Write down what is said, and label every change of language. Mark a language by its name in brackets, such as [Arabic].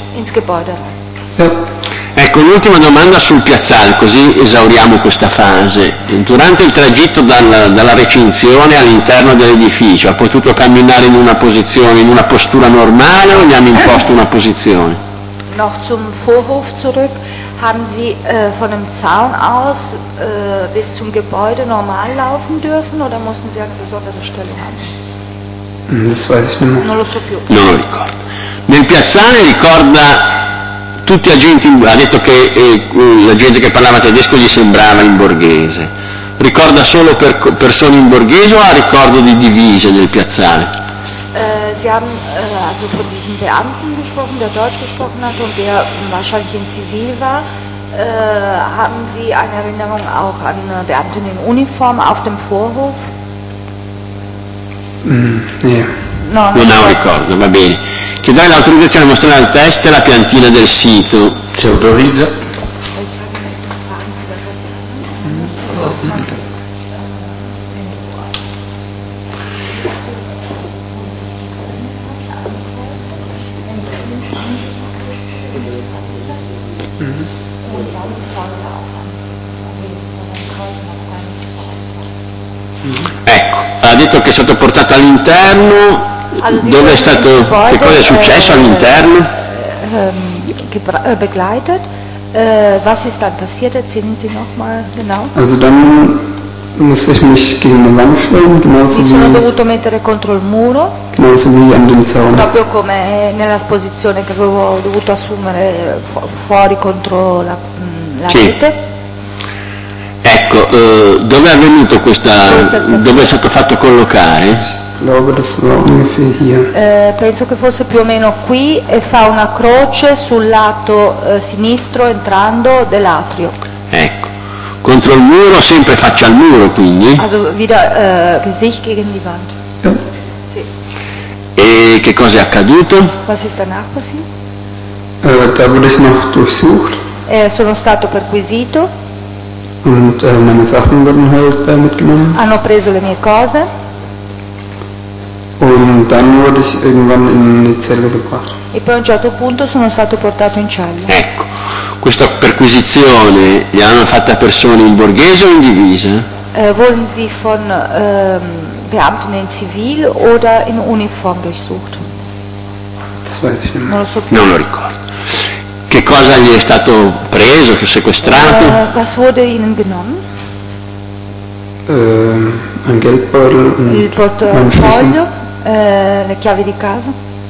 [German] Ins Gebäude. [Italian] Ecco, l'ultima domanda sul piazzale, così esauriamo questa fase. Durante il tragitto dalla recinzione all'interno dell'edificio, ha potuto camminare in una posizione, in una postura normale, o gli hanno imposto una posizione? [German] Noch zum Vorhof zurück. Haben Sie von dem Zaun aus bis zum Gebäude normal laufen dürfen oder mussten Sie eine besondere Stellung haben? Das weiß ich nicht mehr. [Italian] Non lo so più. Non lo ricordo. Nel piazzale ricorda tutti agenti, ha detto che la gente che parlava tedesco gli sembrava in borghese. Ricorda solo persone in borghese o ha ricordo di divise nel piazzale? [German] Sie haben also von diesem Beamten gesprochen, der Deutsch gesprochen hat und der wahrscheinlich in Zivil war. Haben Sie eine Erinnerung auch an Beamten in Uniform auf dem Vorhof? Nee. [Italian] Non ho ricordo, va bene. Chiedere l'autorizzazione a mostrare il test e la piantina del sito. Si autorizza. Ecco, ha detto che è stato portato all'interno. Dove è stato, che cosa è successo all'interno? [German] Begleitet. Was ist dann passiert? Erzählen Sie noch mal genau. Also dann musste ich mich gegen den Wand stellen, genauso [Italian] wie. Mi sono dovuto mettere contro il muro. [German] Genauso wie an den Zaun. [Italian] Proprio come nella posizione che avevo dovuto assumere fuori contro la rete. Ecco, dove è avvenuto questa, dove è stato fatto collocare? [German] Glaube, das war ungefähr hier. [Italian] Penso che fosse più o meno qui e fa una croce sul lato sinistro entrando dell'atrio. Ecco, contro il muro, sempre faccia al muro quindi. [German] Also wieder Gesicht gegen die Wand. Ja. [Italian] Sì. E che cosa è accaduto? [German] Was ist danach passiert? Da wurde ich noch durchsucht. [Italian] Sono stato perquisito. [German] Und meine Sachen wurden halt mitgenommen. [Italian] Hanno preso le mie cose. [German] Und dann wurde ich irgendwann in eine Zelle gebracht. [Italian] E poi a un certo punto sono stato portato in cella. Ecco, questa perquisizione gli hanno fatta persone in borghese o in divisa? [German] Wurden sie von Beamten in Zivil oder in Uniform durchsucht? Das weiß ich nicht. [Italian] Non lo so più. Non lo ricordo. Che cosa gli è stato preso, sequestrato? [German] Was wurde ihnen genommen? Ein Geldbeutel und [Italian] il portafoglio, le chiavi di casa.